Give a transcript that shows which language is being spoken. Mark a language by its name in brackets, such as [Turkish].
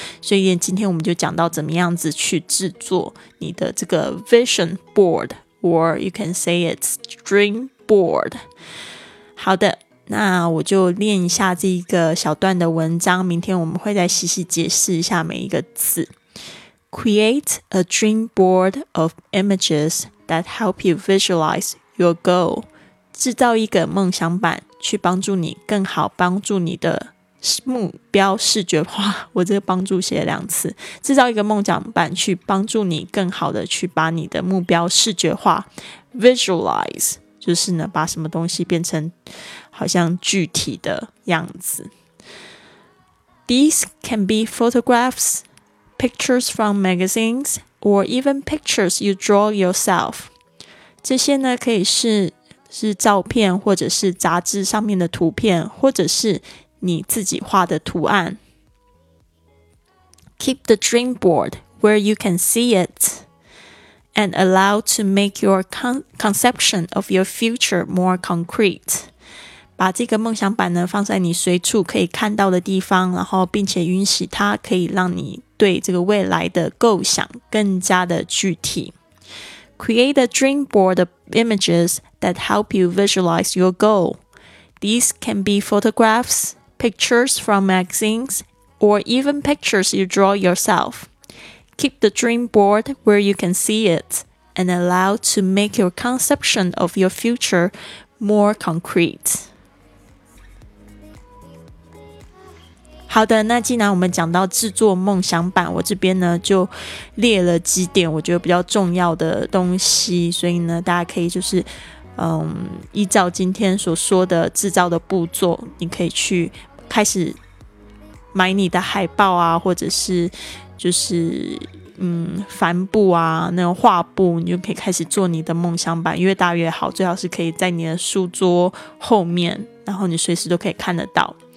[Chinese] 所以今天我们就讲到怎么样子去制作你的这个 vision board， [English] or you can say it's dream board。 [Chinese] 好的，那我就练一下这一个小段的文章，明天我们会再细细解释一下每一个字。 [English] Create a dream board of images that help you visualize your goal. [Chinese] 制造一个梦想板，去帮助你更好帮助你的目标视觉化。我这个帮助写了两次。制造一个梦想板，去帮助你更好的去把你的目标视觉化。 Visualize 就是呢把什么东西变成好像具体的样子。 [English] These can be photographs, pictures from magazines, or even pictures you draw yourself. [Chinese] 这些呢可以 是照片，或者是杂志上面的图片，或者是你自己画的图案。 [English] Keep the dream board where you can see it and allow to make your conception of your future more concrete. [Chinese] 把这个梦想板呢放在你随处可以看到的地方，然后并且允许它可以让你对这个未来的构想更加的具体。 [English] Create a dream board of images that help you visualize your goal. These can be photographs, pictures from magazines, or even pictures you draw yourself. Keep the dream board where you can see it and allow to make your conception of your future more concrete. [Chinese] 好的，那既然我们讲到制作梦想版，我这边呢就列了几点我觉得比较重要的东西，所以呢大家可以就是依照今天所说的制造的步骤，你可以去开始买你的海报啊，或者是就是帆布啊，那个画布，你就可以开始做你的梦想版，越大越好，最好是可以在你的书桌后面，然后你随时都可以看得到。